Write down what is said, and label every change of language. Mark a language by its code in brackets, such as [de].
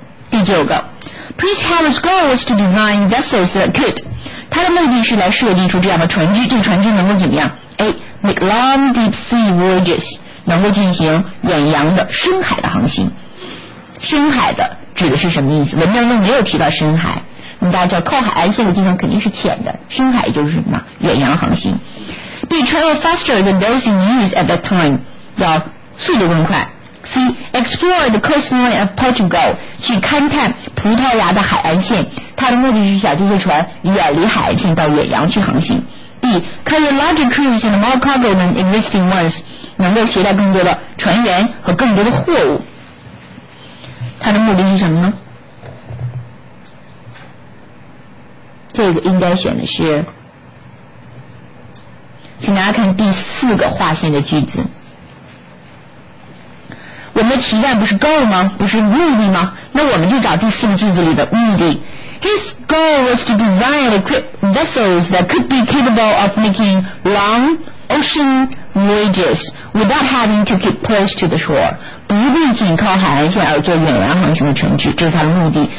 [en] 第九个， Prince Harry's goal was to design vessels that could， [zh] 他的目的是来设计出这样的船只，这个船只能够怎么样？ [en] A. Make long deep sea voyages， [zh] 能够进行远洋的深海的航行。深海的指的是什么意思？文章中没有提到深海，那大家叫靠海岸线的地方肯定是浅的，深海就是什么远洋航行。 [en] B. Travel faster than those in use at that time， [zh] 要速度更快。 C. [en] Explore the coastline of Portugal， [zh] 去勘探葡萄牙的海岸线，它的目的是想这些船远离海岸线到远洋去航行。D. [en] Carry a larger crews and more cargo than existing ones， [zh] 能够携带更多的船员和更多的货物。它的目的是什么呢？这个应该选的是，请大家看第四个划线的句子。我们的期待不是 goal 吗？不是目的吗？那我们就找第四个句子里的目的。 [en] His goal was to design equipped vessels that could be capable of making long ocean voyages without having to keep close to the shore， [zh] 不必仅靠海岸线而做远洋航行的船只，这是他的目的。